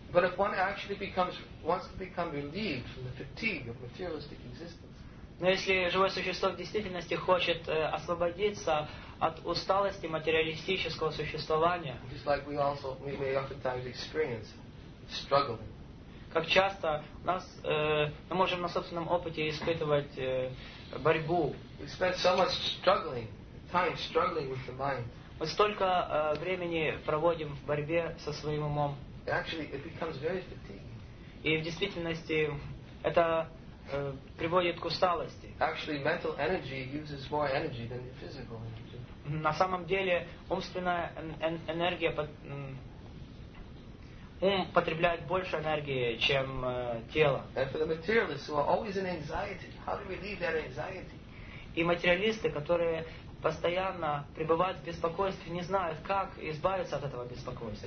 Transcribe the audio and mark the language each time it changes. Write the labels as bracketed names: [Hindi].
[English] But if one actually becomes, wants to become relieved from the fatigue of materialistic existence. [Russian] Но если живое существо в действительности хочет освободиться от усталости материалистического существования, [English] just like we also, we may oftentimes experience struggling. [Russian] Как часто нас, мы можем на собственном опыте испытывать борьбу. [English] We spend so much struggling, time struggling with the mind. [Russian] Мы столько времени проводим в борьбе со своим умом. [English] Actually, it becomes very fatiguing. [Russian] И в действительности это приводит к усталости. [English] Actually, mental energy uses more energy than the physical energy. [Russian] На самом деле умственная энергия, ум потребляет больше энергии, чем тело. [English] And for the materialists who are always in anxiety, how do we relieve that anxiety? [Russian] И материалисты, которые постоянно пребывают в беспокойстве, не знают, как избавиться от этого беспокойства.